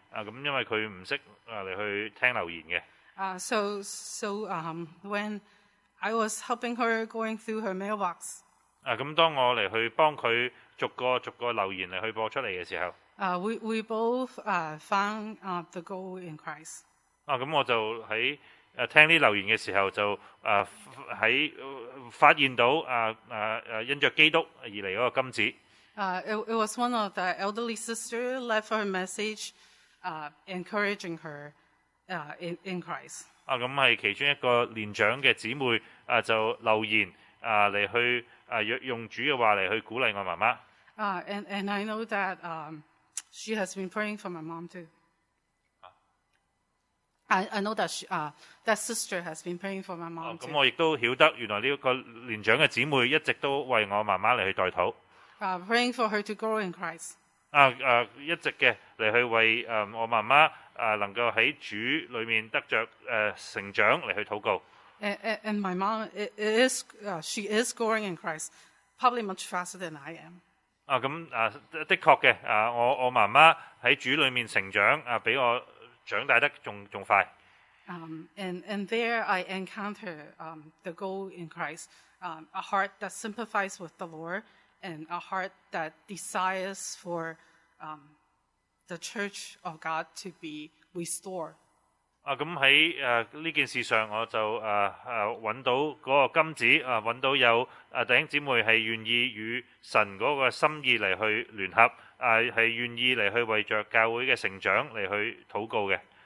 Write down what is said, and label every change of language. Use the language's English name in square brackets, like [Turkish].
[Cantonese] 咁因為佢唔識嚟去聽留言嘅。 [English] So when I was helping her going through her mailbox. [Cantonese] 咁當我嚟去幫佢逐個留言嚟去播出嚟嘅時候。 [English] We both found the goal in Christ. [Cantonese] 咁我就喺聽啲留言嘅時候就喺發現到因著基督而嚟嗰個金子。 [English] It was one of the elderly sister left her message. Encouraging her in Christ. [Cantonese] 咁係其中一個年長嘅姊妹就留言嚟去用主嘅話嚟去鼓勵我媽媽。 [English] And I know that she has been praying for my mom too. I know that that sister has been praying for my mom too. [Cantonese] 咁我亦都曉得原來呢個年長嘅姊妹一直都為我媽媽嚟去代禱。 [English] Praying for her to grow in Christ. [Cantonese] 一直嘅嚟去为我妈妈能够喺主里面得着成长嚟去祷告。 [English] And my mom is she is growing in Christ, probably much faster than I am. [Cantonese] 的确嘅我妈妈喺主里面成长比我长大得仲快。 [English] And there I encounter the goal in Christ, a heart that sympathizes with the Lord. And a heart that desires for the church of God to be restored. [Cantonese] 咁喺呢件事上，我就揾到嗰個金子，揾到有弟兄姊妹係願意與神嗰個心意嚟去聯合，係願意嚟去為著教會嘅成長嚟去禱告嘅。